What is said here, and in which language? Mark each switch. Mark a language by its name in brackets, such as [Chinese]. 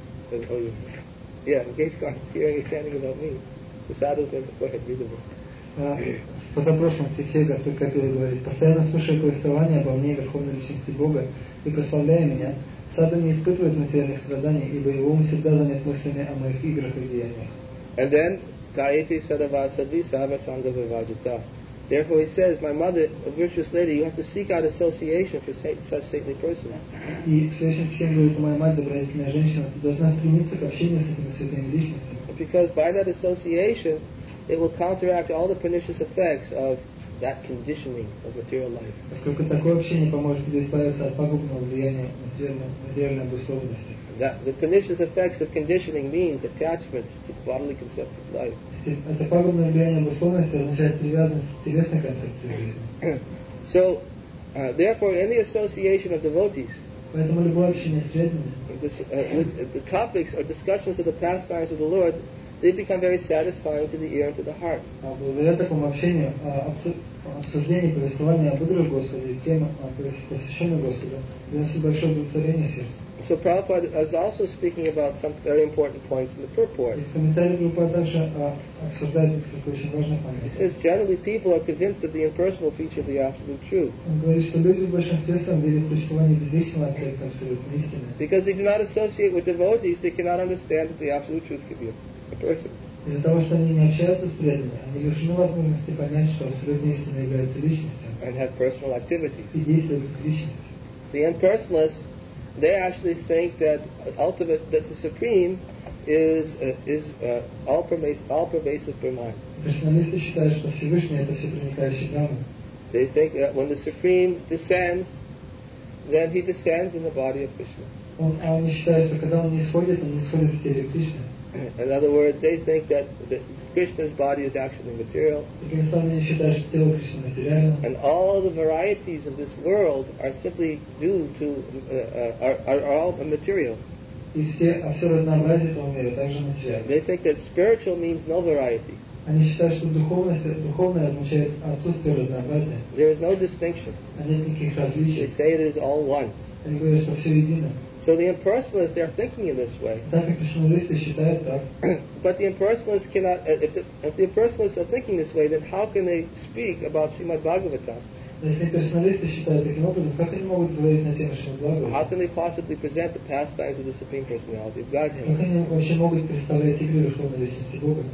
[English] Engaged constantly hearing and chanting about me. The sadhus never go ahead, read the book. [Russian] В позапрошлом стихе Господь Капила говорит, постоянно слушая повествование обо мне, Верховной Личности Бога, и прославляя меня, саду не испытывает материальных страданий, ибо его ум всегда занят мыслями о моих играх и деяниях. [English] And then, [Sanskrit] Kaiti Sadavasadhi Sava Sangha Vivajita. [English] Therefore he says, my mother, a virtuous lady, you have to seek out association for such saintly persons. [Russian] И в следующем стихе говорит, моя мать, добродетельная женщина, ты должна стремиться к общению с этими святыми личностями. [English] Because by that association, it will counteract all the pernicious effects of that conditioning of material life. [Russian] Поскольку такое общение поможет тебе избавиться от пагубного влияния материальной обусловленности. [English] The pernicious effects of conditioning means attachments to bodily concept of life. [Russian] Это пагубное влияние обусловленности означает привязанность к телесной концепции жизни. [English] So, therefore, any association of devotees. [Russian] Поэтому любое общение с преданными. [English] The topics or discussions of the pastimes of the Lord. They become very satisfying to the ear and to the heart. [Russian] Благодаря такому общению, обсуждению, повествованию о мудрости Господа и теме посвященной Господу, приносит большое удовлетворение сердцу. [English] So Prabhupada is also speaking about some very important points in the purport. [Russian] В комментариях Прабхупада также обсуждает несколько очень важных моментов. [English] He says generally people are convinced of the impersonal feature of the absolute truth. [Russian] Он говорит, что люди в большинстве своем верят в существование безличного аспекта абсолютной истины. [English] Because they do not associate with devotees, they cannot understand that the absolute truth can be a person. [Russian] Из-за того, что они не общаются с преданными, они лишены возможности понять, что абсолютная истина является личностью. [English] And have personal activities. [Russian] И действуют как личности. [English] The impersonalists. They actually think that ultimate, that the supreme, is all pervasive Brahman. [Russian] Personalists считают, что Всевышний это всепроникающий Брахма. [English] They think that when the supreme descends, then he descends in the body of Krishna. [Russian] Они считают, что когда он нисходит, он нисходит в теле Кришны. [English] In other words, they think that Krishna's body is actually material. And all the varieties of this world are simply due to are all material. They think that spiritual means no variety. [Russian] Они считают, что духовное означает отсутствие разнообразия. [English] There is no distinction. [Russian] Нет никаких различий. [English] They say it is all one. [Russian] Они говорят, что все едино. [English] So the impersonalists, they are thinking in this way. But the impersonalists cannot, if the impersonalists are thinking this way, then how can they speak about Srimad Bhagavatam? How can they possibly present the pastimes of the Supreme Personality of Godhead?